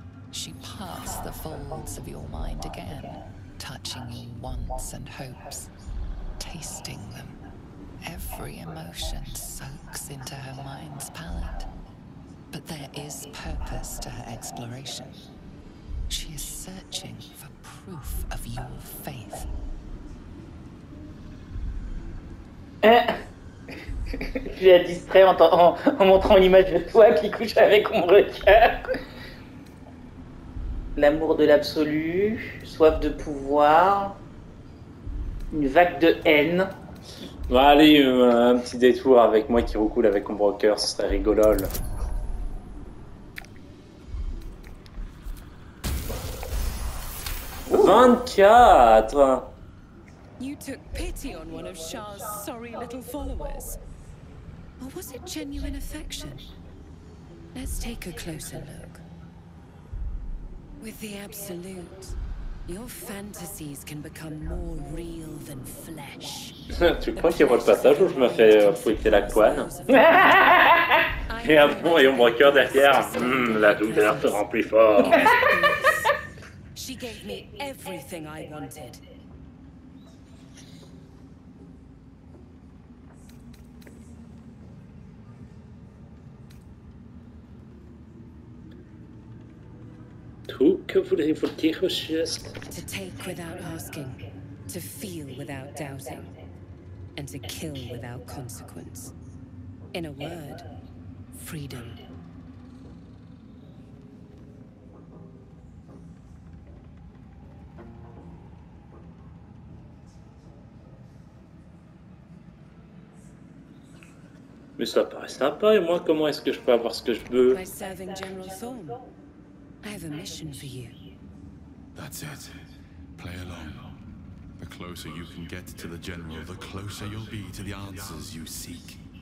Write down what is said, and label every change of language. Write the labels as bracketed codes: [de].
[en] She passed the folds of your mind again, touching you wants and hopes, tasting them. Every emotion soaks into her mind's palate. But there is purpose to her exploration. She is searching for proof of your faith. [fr] Je la distrais en montrant une image de toi qui couche avec mon regard. L'amour de l'absolu, soif de pouvoir, une vague de haine. Bah, allez, un petit détour avec moi qui roucoule avec mon broker, ce serait rigolo. Ooh. 24. [en] You took pity on one of Shah's sorry little followers. Or was it genuine affection? Let's take a closer look. With the Absolute, your fantasies can become more real than flesh. [fr] Tu crois qu'il y aura le passage où je me fais fouetter la couenne? Et un bon rayon braqueur derrière. La douleur te rend plus fort. [en] She gave me everything I wanted. [fr] Tout que voulez-vous dire au juste? [en] To take without asking, to feel without doubting, and to kill without consequence. In a word, freedom. [fr] Mais ça paraît sympa, et moi, comment est-ce que je peux avoir ce que je veux? [en] By serving General Thorne, I have a mission for you. That's it. Play along. The closer you can get to the General, the closer you'll be to the answers you seek.